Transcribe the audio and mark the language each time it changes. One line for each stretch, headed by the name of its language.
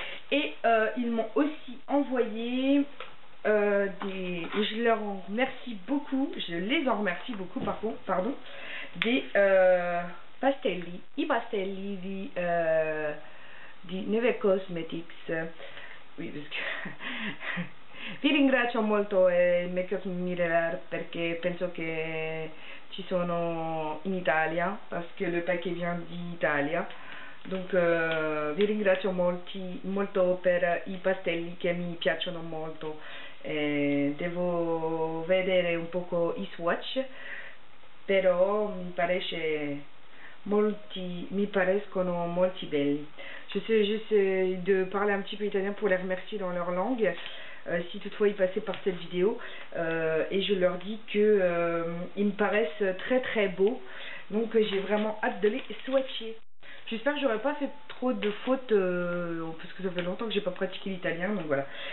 French: Et ils m'ont aussi envoyé je les en remercie beaucoup, des pastelli,
Italian: i pastelli di Neve Cosmetics.
French: Oui, parce que
Italian: vi ringrazio molto il Makeup Mirror perché penso che ci sono in Italia,
French: parce que le paquet vient d'Italia. Donc,
Italian: vi ringrazio molto per i pastelli che mi piacciono molto. Devo vedere un poco i swatch, però mi parescono molti belli.
French: J'essaie de parler un petit peu italien pour les remercier dans leur langue, si toutefois ils passaient par cette vidéo, et je leur dis que ils me paraissent très très beaux. Donc, j'ai vraiment hâte de les swatcher. J'espère que j'aurai pas fait trop de fautes parce que ça fait longtemps que j'ai pas pratiqué l'italien, donc voilà.